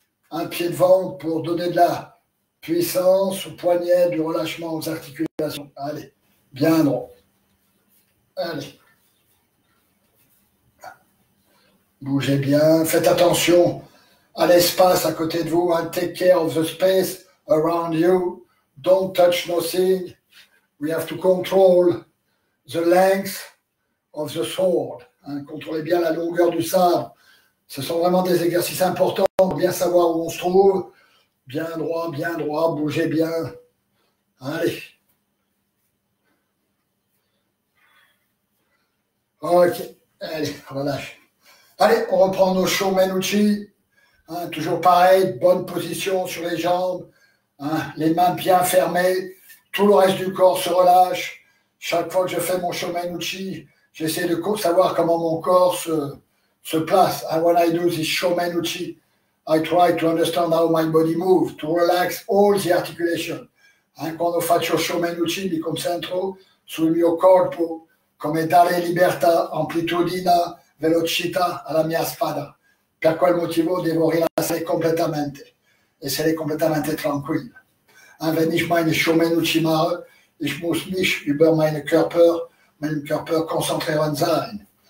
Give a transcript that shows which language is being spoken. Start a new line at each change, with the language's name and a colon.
French: un pied devant pour donner de la puissance aux poignets, du relâchement aux articulations. Allez, bien droit. Allez. Bougez bien. Faites attention à l'espace à côté de vous.
English: Hein. Take care of the space around you. Don't touch nothing. We have to control the length of the sword.
French: Hein. Contrôlez bien la longueur du sabre. Ce sont vraiment des exercices importants pour bien savoir où on se trouve. Bien droit, bougez bien. Allez. Ok, allez, relâche. Allez, on reprend nos Shomen Uchi. Hein, toujours pareil, bonne position sur les jambes. Hein, les mains bien fermées. Tout le reste du corps se relâche. Chaque fois que je fais mon Shomen Uchi, j'essaie de savoir comment mon corps se place.
English: And when I do this Shomen Uchi, I try to understand how my body moves, to relax all the articulation.
Italian: Hein, quando faccio Shomen Uchi, mi concentro sul mio corpo. Come dare libertà, amplitudine, velocità alla mia spada. Per quel motivo devo rilassare completamente, essere completamente tranquillo.
German: Wenn ich meine Shomen Uchi mache, ich muss mich über meinen Körper konzentrieren sein.